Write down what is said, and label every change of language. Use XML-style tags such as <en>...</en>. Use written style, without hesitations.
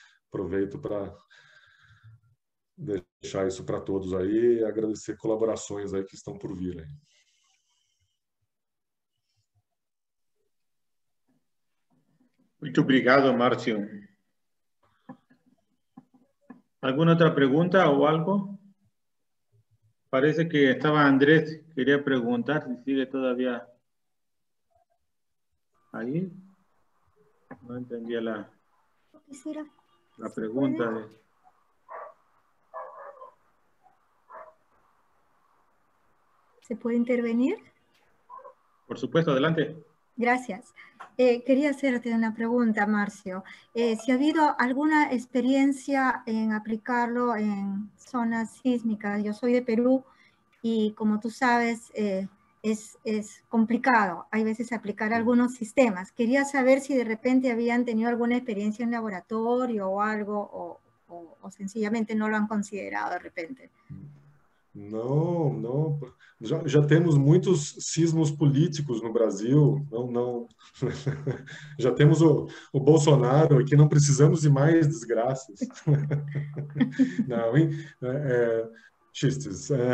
<pt>Aproveito para deixar isso para todos aí e agradecer colaborações aí que estão por vir aí. Muito obrigado, Márcio. Alguma outra pergunta ou algo? Parece que estava Andrés, queria perguntar se</pt> <es>sigue todavía ahí. No entendía la pregunta. ¿Se puede intervenir? Por supuesto, adelante. Gracias. Quería hacerte una pregunta, Márcio. ¿Si ha habido alguna experiencia en aplicarlo en zonas sísmicas? Yo soy de Perú y, como tú sabes, es complicado. Hay veces aplicar algunos sistemas. Quería saber si de repente habían tenido alguna experiencia en laboratorio o algo, o sencillamente no lo han considerado de repente.</es> <pt>Não. Já temos muitos sismos políticos no Brasil. Não. Já temos o Bolsonaro aqui, não precisamos de mais desgraças. Não, hein? Chistes.</pt>